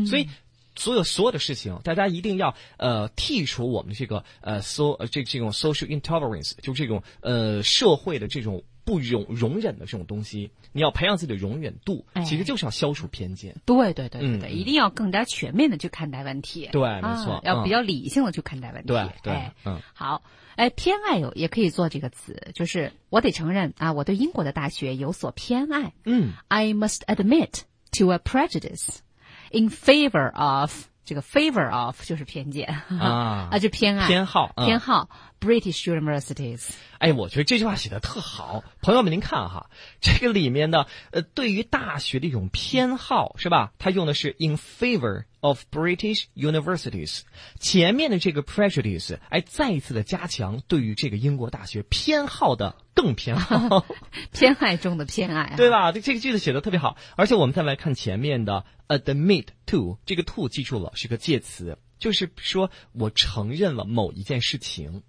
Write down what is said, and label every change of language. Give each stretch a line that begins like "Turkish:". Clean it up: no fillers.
Chinese: 所以所有的事情大家一定要剔除我们这个这种 social intolerance 就这种社会的这种不容忍的这种东西你要培养自己的容忍度、哎、其实就是要消除偏见对对对 对, 对、嗯、一定要更加全面的去看待问题对没错、啊嗯、要比较理性的去看待问题对对、哎、嗯好哎偏爱有也可以做这个词就是我得承认啊我对英国的大学有所偏爱嗯
English: I must admit to a prejudice in favor of
Chinese: 这个
English: favor of
Chinese: 就是偏见啊就偏爱偏好、嗯、偏好
English: British universities.
Chinese: 哎，我觉得这句话写得特好。朋友们，您看哈，这个里面的对于大学的一种偏好是吧？它用的是
English: in favor of British universities.
Chinese: 前面的这个 prejudice， 哎，再一次的加强对于这个英国大学偏好的更偏好，偏爱中的偏爱、啊，对吧？这个句子写得特别好。而且我们再来看前面的 admit to， 这个 to 记住了是个介词。就是说我承认了某一件事情